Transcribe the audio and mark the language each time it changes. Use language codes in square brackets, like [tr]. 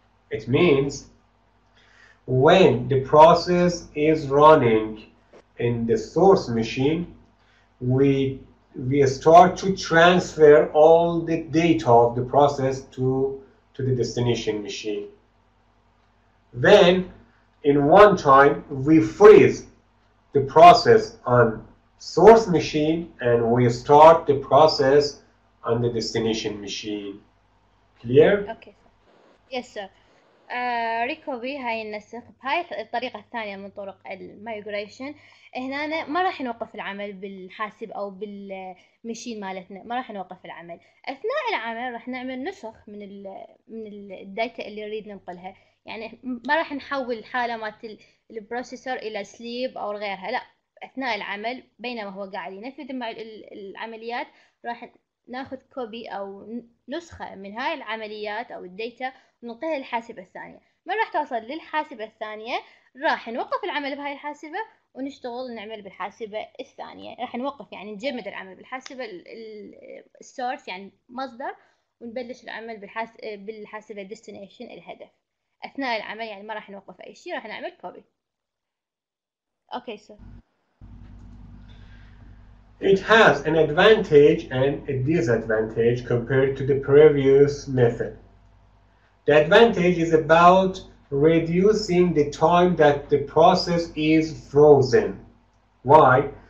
[en] It means when the process is running in the source machine, we start to transfer all the data of the process to the destination machine. Then, in one time, we freeze the process on source machine and we start the process on the destination machine. Clear? Okay. Yes, sir. [ar] ريكوبي هاي النسخ بهاي الطريقة الثانية من طرق الميجريشن. هنا ما راح نوقف العمل بالحاسب أو بالمشين مالتنا، ما راح نوقف العمل. أثناء العمل راح نعمل نسخ من الـ من الداتا اللي نريد ننقلها، يعني ما راح نحول حالة مالت البروسيسور إلى سليب أو غيرها، لا أثناء العمل بينما هو قاعد ينفذ مع العمليات، راح ناخذ كوبي أو نسخة من هاي العمليات أو الديتا ونعطيها للحاسبة الثانية. ما راح توصل للحاسبة الثانية، راح نوقف العمل بهاي الحاسبة ونشتغل نعمل بالحاسبة الثانية. راح نوقف يعني نجمد العمل بالحاسبة السورس يعني مصدر، ونبلش العمل بالحاسبة destination الهدف. أثناء العمل يعني ما راح نوقف أي شيء، راح نعمل كوبي. [en] Okay so It has an advantage and a disadvantage compared to the previous method. The advantage is about reducing the time that the process is frozen. Why?